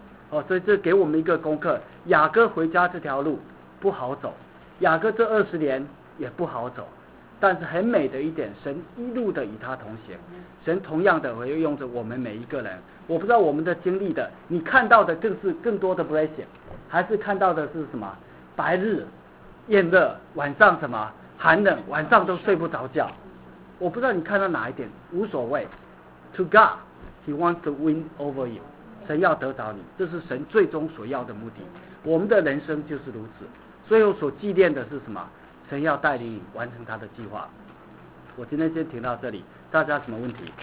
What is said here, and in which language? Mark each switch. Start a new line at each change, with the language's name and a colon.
Chinese: 哦，所以这给我们一个功课。雅各回家这条路不好走，雅各这二十年也不好走，但是很美的一点，神一路的与他同行，神同样的会用着我们每一个人。我不知道我们的经历的，你看到的更是更多的 blessing， 还是看到的是什么？白日炎热，晚上什么寒冷，晚上都睡不着觉。我不知道你看到哪一点，无所谓。
English: To God, He wants to win over you.
Chinese: 神要得着你，这是神最终所要的目的。我们的人生就是如此。最后所纪念的是什么？神要带领你完成他的计划。我今天先停到这里，大家什么问题？